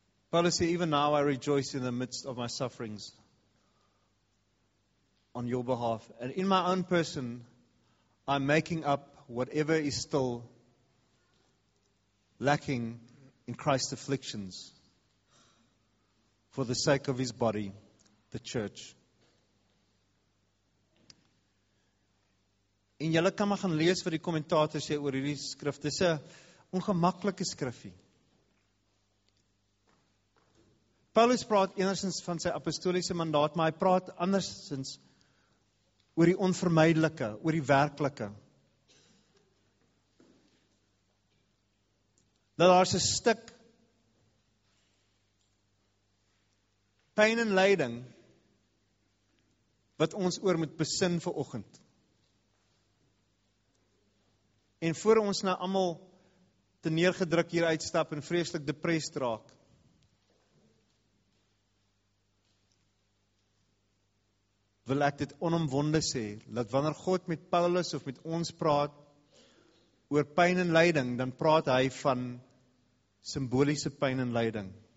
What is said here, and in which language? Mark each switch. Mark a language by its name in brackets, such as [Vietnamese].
[English] Paulus sê, even now I rejoice in the midst of my sufferings, on your behalf, and in my own person, I'm making up whatever is still lacking in Christ's afflictions for the sake of his body, the church. [Afrikaans] En julle kan maar gaan lees wat die kommentator sê oor hierdie skrif. Dis 'n ongemaklike skrifie. Paulus praat enersins van sy apostoliese mandaat, maar hy praat andersins oor die onvermydelike, oor die werklike. Dat daar is 'n stuk pijn en lyding wat ons oor moet besin vir oggend. En voor ons nou allemaal te neergedruk hier uitstap en vreeslik depressed raak, wil ek dit onomwonde sê, dat wanneer God met Paulus of met ons praat oor pijn en lyding, dan praat hy van symboliese pijn en lyding.